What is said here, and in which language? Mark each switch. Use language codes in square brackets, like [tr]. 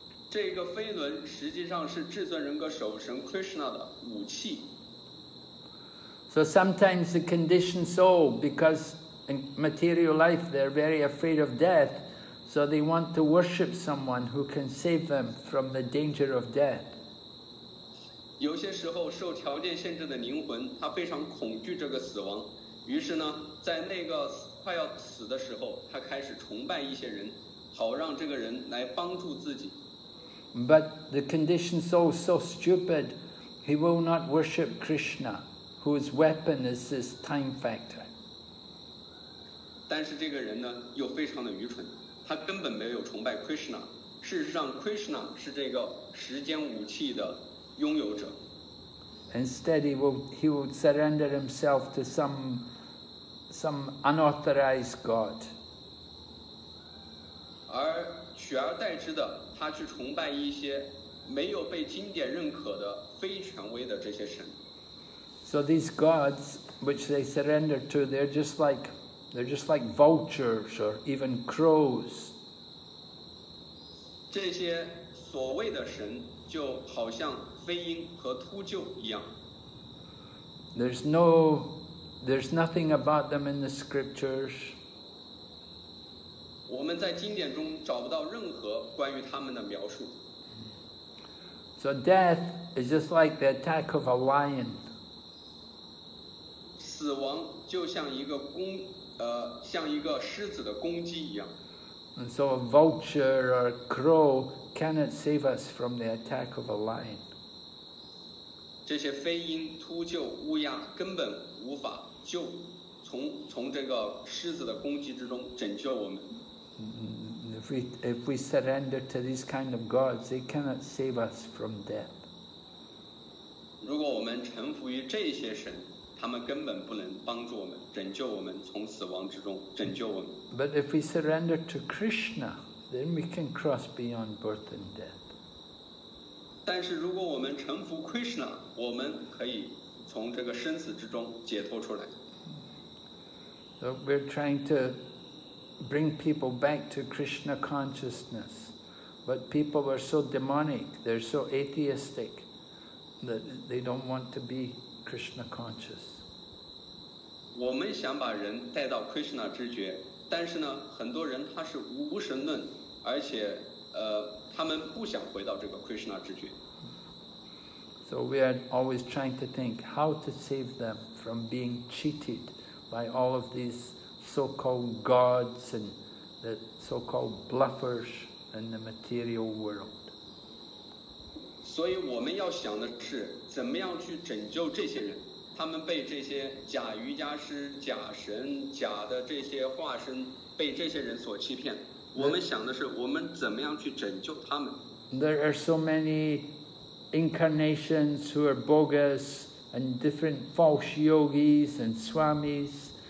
[zh] 这个飞轮实际上是至尊人格守神 Krishna 的武器。 [en] So sometimes the conditioned soul, because in material life they're very afraid of death, so they want to worship someone who can save them from the danger of death. [zh] 有些时候受条件限制的灵魂他非常恐惧这个死亡，于是呢在那个快要死的时候他开始崇拜一些人，好让这个人来帮助自己。 [en] But the conditioned soul is so stupid, he will not worship Krishna, whose weapon is this time factor. [zh] 但是这个人呢又非常的愚蠢，他根本没有崇拜 Krishna, 事实上 Krishna 是这个时间武器的拥有者。 [en] Instead, he will surrender himself to some unauthorized god. [zh] 而取而代之的，他去崇拜一些没有被经典认可的非权威的这些神。 [en] So these gods which they surrender to, they're just like vultures or even crows. [zh] 这些所谓的神就好像飞鹰和秃鹫一样。 [en] There's nothing about them in the scriptures. [zh] 我们在经典中找不到任何关于他们的描述。 [en] So death is just like the attack of a lion. [zh] 死亡就像一个攻，像一个狮子的攻击一样。 [en] And so a vulture or a crow cannot save us from the attack of a lion. [zh] 这些飞鹰、秃鹫、乌鸦根本无法救，从这个狮子的攻击之中拯救我们。 [en] If we surrender to these kind of gods, they cannot save us from death. [zh] 如果我们臣服于这些神，他们根本不能帮助我们，拯救我们从死亡之中，拯救我们。 [en] But if we surrender to Krishna, then we can cross beyond birth and death. [zh] 但是如果我们臣服 Krishna, 我们可以从这个生死之中解脱出来。 [en] So we're trying to bring people back to Krishna consciousness, but people are so demonic, they're so atheistic, that they don't want to be Krishna conscious. [zh] 我们想把人带到 Krishna 知觉，但是呢，很多人他是无神论，而且他们不想回到这个 Krishna 知觉。 [en] So we are always trying to think how to save them from being cheated by all of these so-called gods and the so-called bluffers in the material world. [zh] 所以我们要想的是怎么样去拯救这些人，他们被这些假瑜伽师、假神、假的这些化身被这些人所欺骗。我们想的是我们怎么样去拯救他们。 [en] There are so many incarnations who are bogus and different false yogis and swamis.